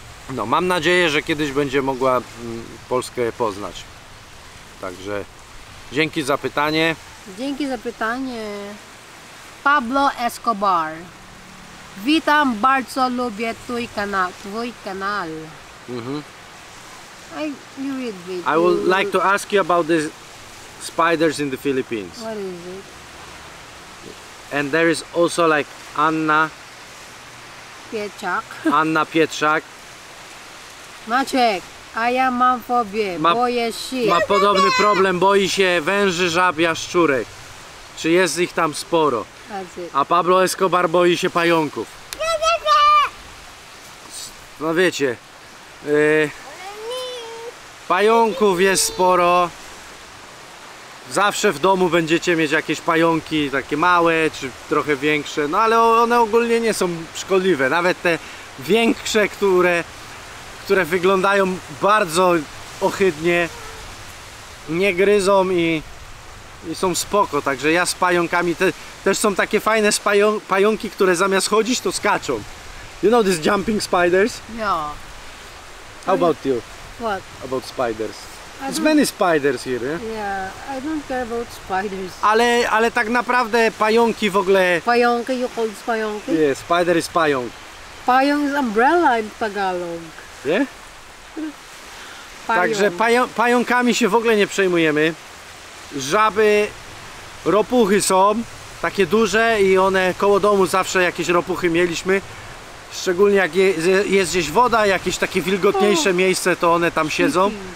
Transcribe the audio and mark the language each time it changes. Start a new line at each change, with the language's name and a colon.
Polish: No, mam nadzieję, że kiedyś będzie mogła Polskę poznać. Także, dzięki za pytanie. Dzięki za pytanie. Pablo Escobar. Witam, bardzo lubię twój kanał.
English: Mm-hmm. I read it. I would like to ask you about the spiders in the Philippines. What is it? And there is also like Anna
Polish: Pietrzak. Anna Pietrzak. Maciek. A ja mam fobię, boję się. Ma podobny problem, boi się węży, żab, jaszczurek. Czy jest ich tam sporo. A Pablo Escobar boi się pająków. No wiecie, pająków jest sporo. Zawsze w domu będziecie mieć jakieś pająki, takie małe czy trochę większe, no ale one ogólnie nie są szkodliwe. Nawet te większe, które wyglądają bardzo ohydnie, nie gryzą i są spoko. Także ja z pająkami, też są takie fajne pająki, które zamiast chodzić, to skaczą.
English: You know these jumping spiders? No. How about you? What? About spiders. There's many spiders here, yeah? Yeah, I don't care about spiders.
Polish: Ale tak naprawdę pająki w ogóle...
English: Pająki, you call it pająki? Yeah, spider is pająk. Pająk is umbrella in Tagalog. Yeah? Pająk.
Polish: Także pająkami się w ogóle nie przejmujemy. Żaby, ropuchy są takie duże i one koło domu zawsze jakieś ropuchy mieliśmy. Szczególnie jak jest gdzieś woda, jakieś takie wilgotniejsze miejsce, to one tam siedzą.